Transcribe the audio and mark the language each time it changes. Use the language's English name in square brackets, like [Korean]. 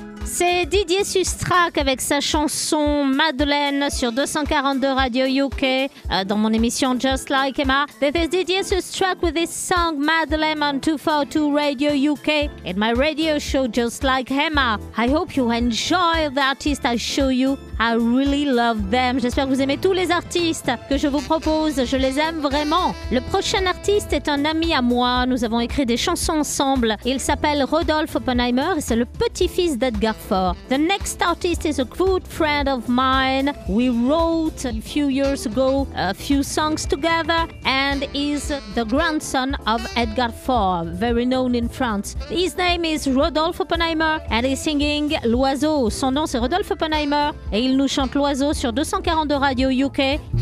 [French] C'est Didier Sustrac avec sa chanson Madeleine sur 242 Radio UK dans mon émission Just Like Emma. [English] This is Didier Sustrac with his song Madeleine on 242 Radio UK in my radio show Just Like Emma. I hope you enjoy the artists I show you. I really love them. [French] J'espère que vous aimez tous les artistes que je vous propose. Je les aime vraiment. Le prochain artiste est un ami à moi. Nous avons écrit des chansons ensemble. Il s'appelle Rodolphe Oppenheimer et c'est le petit-fils d'Edgar. [English] For. The next artist is a good friend of mine. We wrote a few years ago a few songs together and is the grandson of Edgar Faure, very known in France. His name is Rodolphe Oppenheimer and he's singing L'Oiseau. Son nom c'est Rodolphe Oppenheimer et il nous chante L'Oiseau sur 242 Radio UK.